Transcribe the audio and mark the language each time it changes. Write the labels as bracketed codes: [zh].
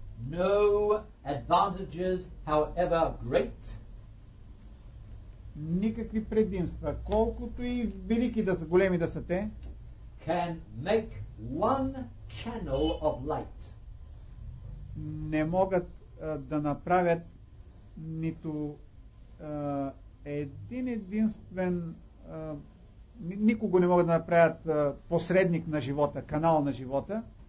[en] No advantages, however great. [bg] Никакви предимства, колкото и велики да са, големи да са те. [en] Can make one channel of light. [bg] Не могат да направят нито един единствен, никого не могат да направят посредник на живота, канал на живота.